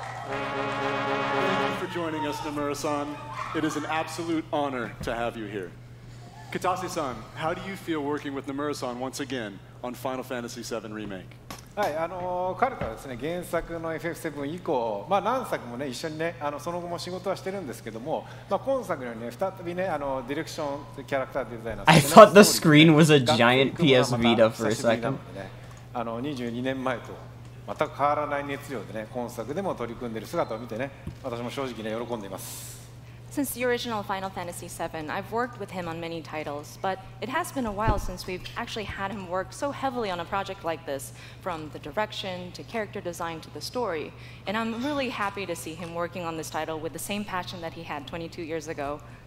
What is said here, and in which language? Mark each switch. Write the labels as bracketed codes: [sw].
[en] Thank you for joining us, Nomura-san. It is an absolute honor to have you here. Katase-san, how do you feel working with Nomura-san once again on Final Fantasy VII Remake? [ja] はい、彼とはですね、原作の FF7 以降、まあ、何作もね、一緒にね、その後も仕事はしてるんですけども、まあ、今作のようにね、再びね、ディレクションというキャラクターデザイナー [en] I thought the screen was a giant PS Vita for a second、ね、 [ja] 22年前と全く変わらない熱量でね、今作でも取り組んでる姿を見てね、私も正直ね、喜んでいます [en] Since the original Final Fantasy VII, I've worked with him on many titles, but it has been a while since we've actually had him work so heavily on a project like this, from the direction to character design to the story. And I'm really happy to see him working on this title with the same passion that he had 22 years ago.